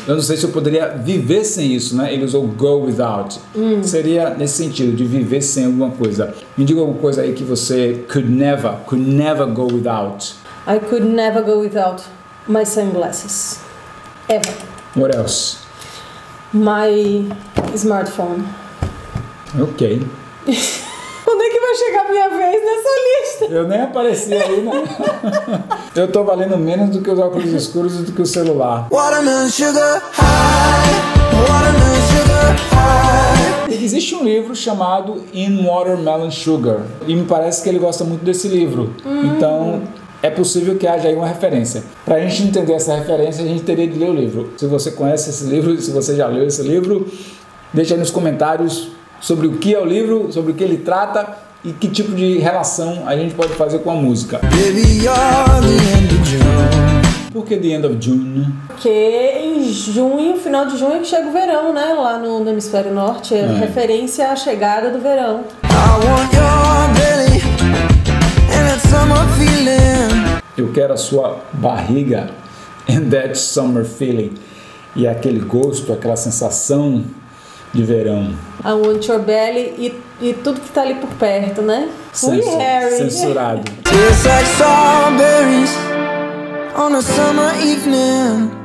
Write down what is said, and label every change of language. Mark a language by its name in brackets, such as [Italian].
[Portuguese] Eu não sei se eu poderia viver sem isso, né? Ele usou go without. Seria nesse sentido, de viver sem alguma coisa. Me diga alguma coisa aí que você [English] could never go without. I could never go without my sunglasses. Ever. What else? My smartphone. Ok. [Portuguese] Onde é que vai chegar a minha vez nessa lista? Eu nem apareci aí, né? Eu tô valendo menos do que os óculos escuros e do que o celular. [English] Watermelon Sugar High, Watermelon Sugar High. [Portuguese] Existe um livro chamado In Watermelon Sugar. E me parece que ele gosta muito desse livro. Então, é possível que haja aí uma referência. Pra gente entender essa referência, a gente teria de ler o livro. Se você conhece esse livro, se você já leu esse livro, deixa aí nos comentários sobre o que é o livro, sobre o que ele trata e que tipo de relação a gente pode fazer com a música. [English] Baby, you're the end of June. [Portuguese] Por que The End of June? Porque em junho, final de junho, chega o verão, né? Lá no Hemisfério Norte. É referência à chegada do verão. [English] I want your belly and that summer feeling. [Portuguese] Eu quero a sua barriga [English] and that summer feeling. [Portuguese] E aquele gosto, aquela sensação de verão. [English] I want your belly [Portuguese] e tudo que tá ali por perto, né? [English] Harry. [Portuguese] Censurado. [English] It's like strawberries on a summer evening.